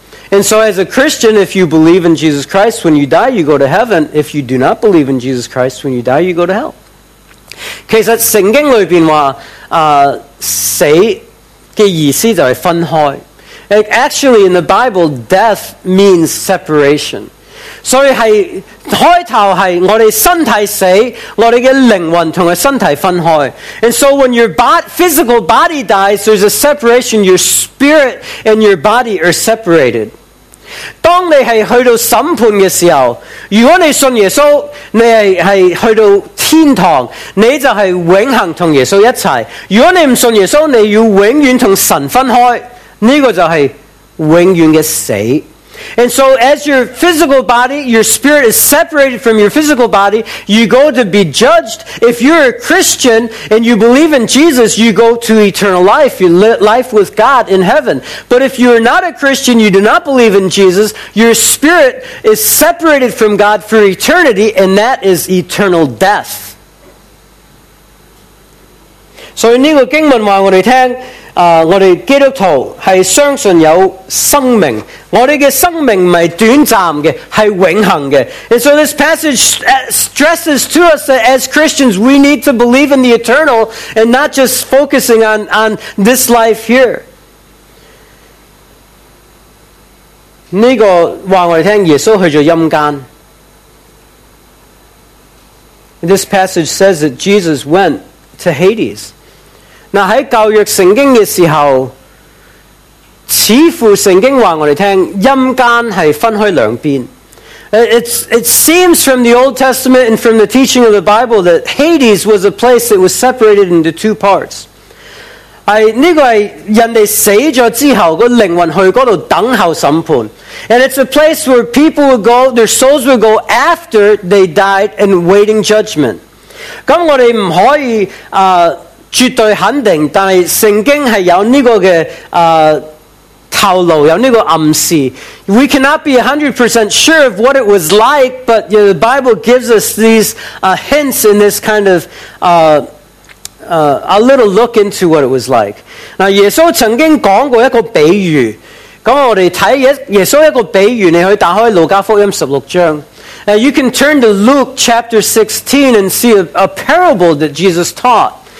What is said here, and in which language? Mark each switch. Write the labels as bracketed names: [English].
[English] And so as a Christian, if you believe in Jesus Christ, when you die, you go to heaven. If you do not believe in Jesus Christ, when you die, you go to hell. [Chinese] 其实圣经里面说死的意思就是分开。 [English] Like, actually, in the Bible, death means separation. [Chinese] 所以是开头是我们身体死，我们的灵魂和身体分开。 [English] And so when your physical body dies, there's a separation. Your spirit and your body are separated. [Chinese] 当你是去到审判的时候，如果你信耶稣，你是去到天堂，你就是永恒和耶稣一起。如果你不信耶稣，你要永远和神分开，这个就是永远的死。 [English] And so as your physical body, your spirit is separated from your physical body, you go to be judged. If you're a Christian and you believe in Jesus, you go to eternal life, your life with God in heaven. But if you are not a Christian, you do not believe in Jesus, your spirit is separated from God for eternity, and that is eternal death. So in this [Chinese] 经文话我们听我们基督徒是相信有生命，我们的生命不是短暂的，是永恒的。 [English] And so this passage stresses to us that as Christians we need to believe in the eternal and not just focusing on this life here. [Chinese] 这个告诉我们耶稣去了阴间。 [English] This passage says that Jesus went to Hades. [Chinese] 那在教育圣经的时候，似乎圣经告诉我们阴间是分开两边。 [English] It seems from the Old Testament and from the teaching of the Bible that Hades was a place that was separated into two parts. [Chinese] 这个是人家死了之后灵魂去那里等候审判。 [English] And it's a place where people would go, their souls would go after they died and waiting judgment. [Chinese] 那我们不可以绝对肯定，但是圣经是有这个的透露，有这个暗示。 [English] We cannot be 100% sure of what it was like, but you know, the Bible gives us these hints in this kind of a little look into what it was like. [Chinese] 那耶稣曾经讲过一个比喻，那我们看耶稣一个比喻，你可以打开路加福音16章。 [English] Now you can turn to Luke chapter 16 and see a parable that Jesus taught.